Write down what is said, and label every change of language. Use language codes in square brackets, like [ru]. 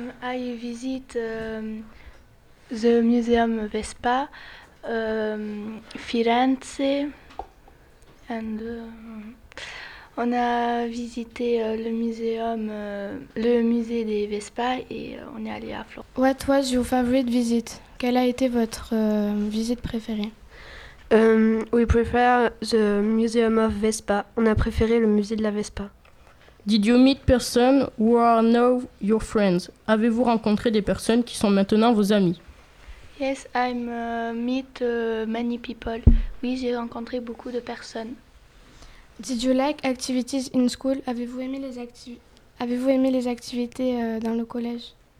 [en] I visit the Museum Vespa, [fr] Firenze, and on a visité le musée des Vespa et on est allé à Florence. [en] What was your favorite visit? [fr] Quelle a été votre visite préférée? [en] We prefer the Museum of Vespa. [fr] On a préféré le musée de la Vespa. [en] Did you meet persons who are now your friends? [fr] Avez-vous rencontré des personnes qui sont maintenant vos amis? [en] Yes, I'm meet many people. [fr] Oui, j'ai rencontré beaucoup de personnes. [en] Did you like activities in school? [fr] Avez-vous aimé les activités dans le collège?